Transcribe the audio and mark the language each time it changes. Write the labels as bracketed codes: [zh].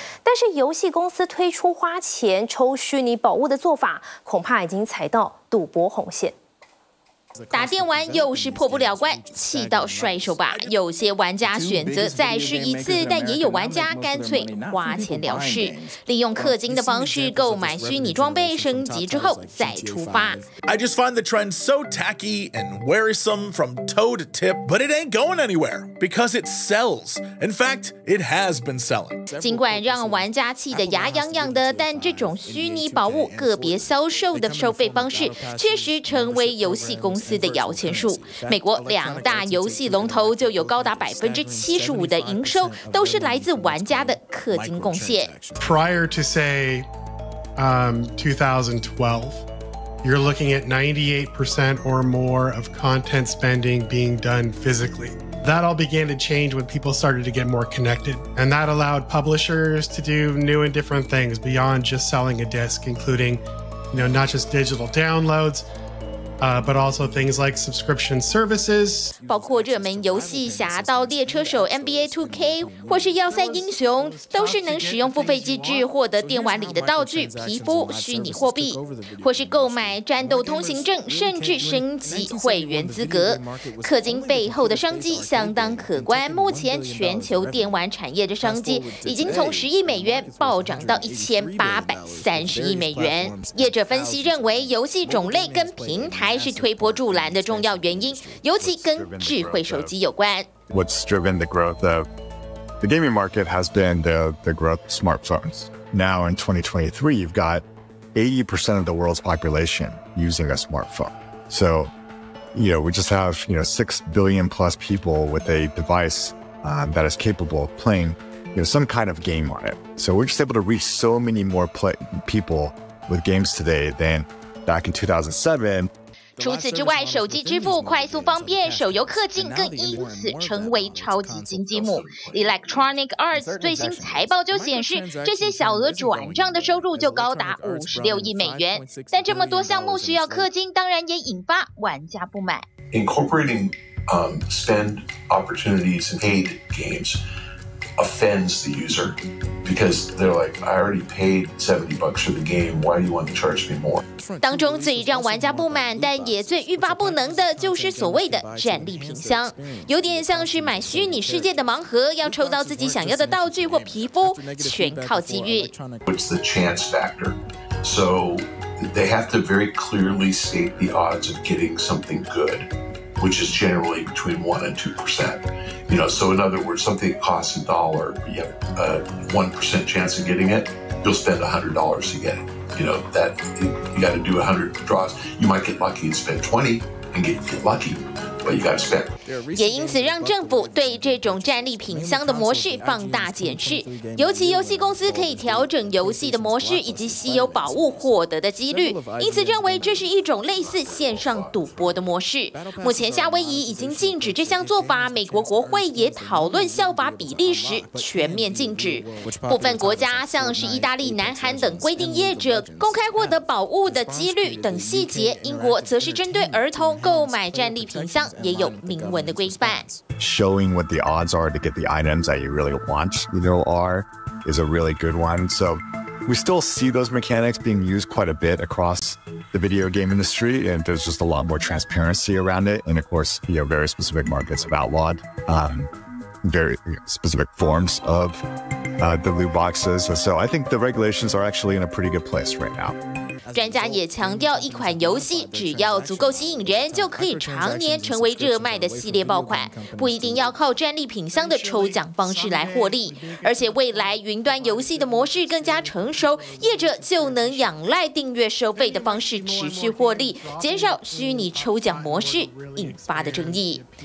[zh] 但是游戏公司推出花钱抽虚拟宝物的做法，恐怕已经踩到赌博红线。打电玩又是破不了关，气到摔手吧。有些玩家选择再试一次，但也有玩家干脆花钱了事，利用氪金的方式购买虚拟装备，升级之后再出发。 [en] I just find the trend so tacky and wearisome from toe to tip, but it ain't going anywhere because it sells. In fact, it has been selling. [zh] 尽管让玩家气得牙痒痒的，但这种虚拟宝物个别销售的收费方式，确实成为游戏公司的摇钱树。美国两大游戏龙头就有高达75%的营收都是来自玩家的氪金贡献。 [en] Prior to say 2012, you're looking at 98% or more of content spending being done physically. That all began to change when people started to get more connected, and that allowed publishers to do new and different things beyond just selling a disc, including, you know, not just digital downloads. But also things like subscription services. [zh] 包括热门游戏《侠盗猎车手》NBA 2K 或是《药三英雄》，都是能使用付费机制获得电玩里的道具、皮肤、虚拟货币，或是购买战斗通行证，甚至升级会员资格。氪金背后的商机相当可观，目前全球电玩产业的商机已经从10亿美元暴涨到1830亿美元。业者分析认为，游戏种类跟平台还是推波助澜的重要原因，尤其跟智慧手机有关。 [en] What's driven the growth of the gaming market has been the growth of smartphones. Now in 2023, you've got 80% of the world's population using a smartphone. So, you know, we just have, you know, 6 billion plus people with a device, that is capable of playing, you know, some kind of game on it. So we're just able to reach so many more people with games today than. Back in 2007, [zh] 除此之外，手机支付快速方便，手游氪金更因此成为超级金鸡母。 Electronic Arts 最新财报就显示，这些小额转账的收入就高达56亿美元。但这么多项目需要氪金，当然也引发玩家不满。 [en] Incorporating spend opportunities in paid games offends the user because they're like, I already paid $70 for the game. Why do you want to charge me more? [zh] 当中最让玩家不满，但也最欲罢不能的，就是所谓的战利品箱，有点像是买虚拟世界的盲盒，要抽到自己想要的道具或皮肤，全靠机遇。 [en] It's the chance factor, so they have to very clearly state the odds of getting something good, which is generally between 1% and 2%. You know, so in other words, something costs a dollar, you have a 1% chance of getting it, you'll spend $100 to get it. You know, that you got to do 100 draws. You might get lucky and spend 20 and get lucky, but you got to spend. [zh] 也因此让政府对这种战利品箱的模式放大检视，尤其游戏公司可以调整游戏的模式以及稀有宝物获得的几率，因此认为这是一种类似线上赌博的模式。目前夏威夷已经禁止这项做法，美国国会也讨论效法比利时全面禁止，部分国家像是意大利、南韩等规定业者公开获得宝物的几率等细节，英国则是针对儿童购买战利品箱也有明文的规范。 [en] Showing what the odds are to get the items that you really want, you know, are is a really good one. So we still see those mechanics being used quite a bit across the video game industry, and there's just a lot more transparency around it. And of course, you know, very specific markets have outlawed very specific forms of the loot boxes. So I think the regulations are actually in a pretty good place right now. [zh] 专家也强调，一款游戏只要足够吸引人，就可以常年成为热卖的系列爆款，不一定要靠战利品箱的抽奖方式来获利。而且未来云端游戏的模式更加成熟，业者就能仰赖订阅收费的方式持续获利，减少虚拟抽奖模式引发的争议。